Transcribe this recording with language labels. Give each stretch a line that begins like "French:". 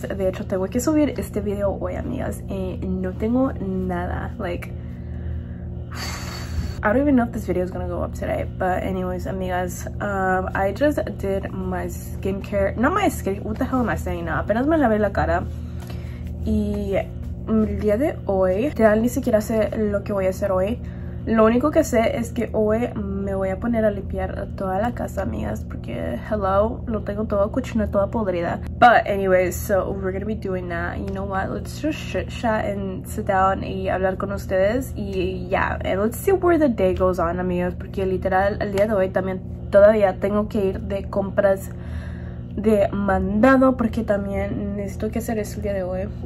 Spanish: De hecho, tengo que subir este video hoy, amigas. Y no tengo nada.
English: Like, I don't even know if this video is gonna go up today, but anyways, amigas, I just did my skincare, not my skin, what the hell am I saying now?
Spanish: Apenas me lavé la cara y el día de hoy, literal ni siquiera sé lo que voy a hacer hoy. Lo único que sé es que hoy me voy a poner a limpiar toda la casa, amigas, porque hello, lo tengo todo cochino, toda podrida.
English: But anyways, so we're gonna be doing that. You know what? Let's just chit chat and sit down y hablar con ustedes.
Spanish: Y
English: yeah, and let's see where the day goes on,
Spanish: amigas, porque literal, el día de hoy también todavía tengo que ir de compras de mandado, porque también necesito que hacer eso el día de hoy.